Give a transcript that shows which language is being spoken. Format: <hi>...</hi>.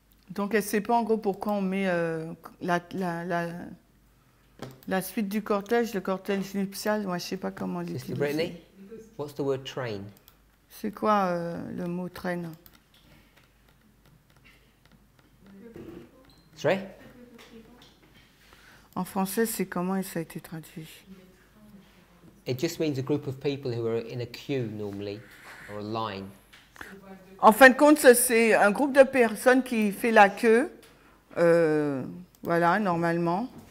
<fr>Donc elle ne sait pas en gros pourquoi on met la suite du cortège, le cortège nuptial, moi je ne sais pas comment l'utiliser.</fr> <en>Sister Brittany, what's the word train?</en> <fr>C'est quoi le mot train? Train? En français, c'est comment ça a été traduit?</fr> <en>It just means a group of people who are in a queue normally, or a line.</en> <fr>En fin de compte, c'est un groupe de personnes qui fait la queue, voilà, normalement.</fr>